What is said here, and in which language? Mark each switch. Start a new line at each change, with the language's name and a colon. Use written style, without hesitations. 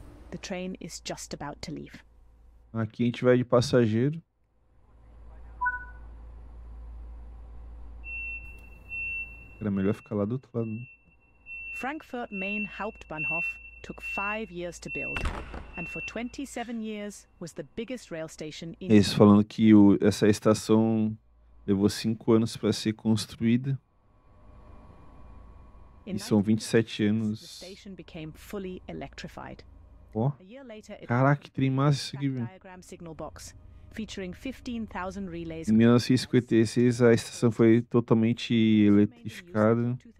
English: The train is just about to leave.
Portuguese: Aqui a gente vai de passageiro. Era melhor ficar lá do outro lado.
English: Frankfurt Main Hauptbahnhof took 5 years to build and for 27 years was the biggest rail station in.
Portuguese: Eles falando que essa estação levou 5 anos para ser construída. E são 27 anos.
English: The station became fully electrified.
Portuguese: Caraca, que trem massa isso aqui, velho.
English: Featuring 15,000 relays.
Portuguese: Em 1956, a estação foi totalmente eletrificada.